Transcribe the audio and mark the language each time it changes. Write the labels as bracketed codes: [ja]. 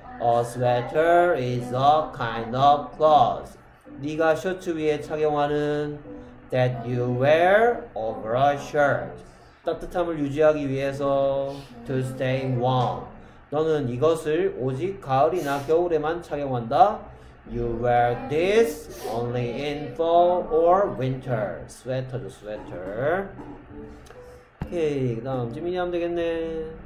[en] A sweater is a kind of clothes. [ko] 네가 셔츠 위에 착용하는 [en] that you wear over a shirt. [ko] 따뜻함을 유지하기 위해서 [en] to stay warm. [ko] 너는 이것을 오직 가을이나 겨울에만 착용한다. [en] You wear this only in fall or winter. [ko] 스웨터죠, 스웨터. 오케이, 그다음 지민이 하면 되겠네.